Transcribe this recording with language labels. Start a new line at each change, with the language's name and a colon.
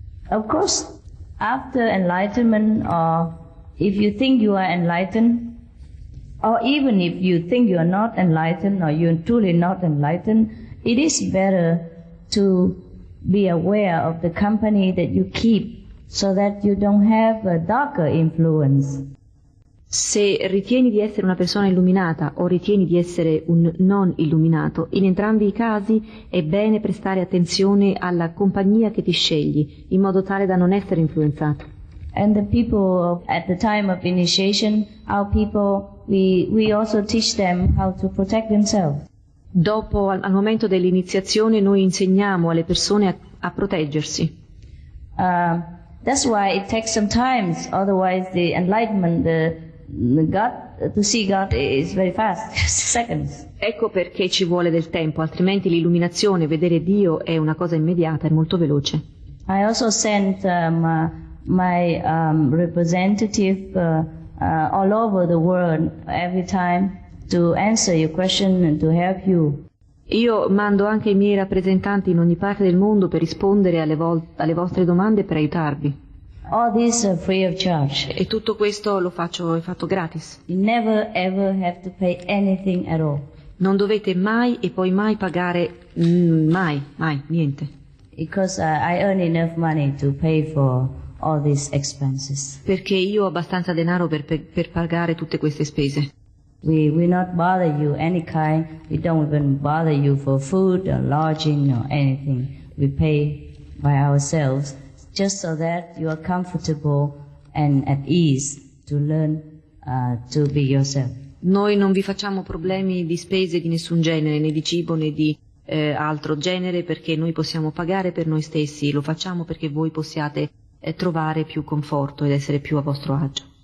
English: Of course, after enlightenment, or if you think you are enlightened, or even if you think you are not enlightened, or you are truly not enlightened, it is better to be aware of the company that you keep so that you don't have a darker influence.
Italian: Se ritieni di essere una persona illuminata o ritieni di essere un non illuminato, in entrambi i casi è bene prestare attenzione alla compagnia che ti scegli, in modo tale da non essere influenzato.
English: And the people at the time of initiation, our people, we also teach them how to protect themselves.
Italian: Dopo, al momento dell'iniziazione, noi insegniamo alle persone a proteggersi.
English: That's why it takes some time, otherwise the enlightenment, God, to see God is very fast, seconds.
Italian: Ecco perché ci vuole del tempo, altrimenti l'illuminazione, vedere Dio, è una cosa immediata, è molto veloce.
English: I also sent my representative all over the world every time to answer your question and to help you.
Italian: Io mando anche i miei rappresentanti in ogni parte del mondo per rispondere alle vostre domande e per aiutarvi.
English: All this free of charge.
Italian: E tutto questo lo faccio, è fatto gratis.
English: You never ever have to pay anything at all.
Italian: Non dovete mai e poi mai pagare mai niente.
English: Because I earn enough money to pay for all these expenses.
Italian: Perché io ho abbastanza denaro per pagare tutte queste spese.
English: We not bother you any kind. We don't even bother you for food or lodging or anything. We pay by ourselves. Just so that you are comfortable and at ease to learn to be yourself.
Italian: Noi non vi facciamo problemi di spese di nessun genere, né di cibo né di altro genere, perché noi possiamo pagare per noi stessi. Lo facciamo perché voi possiate trovare più conforto ed essere più a vostro agio.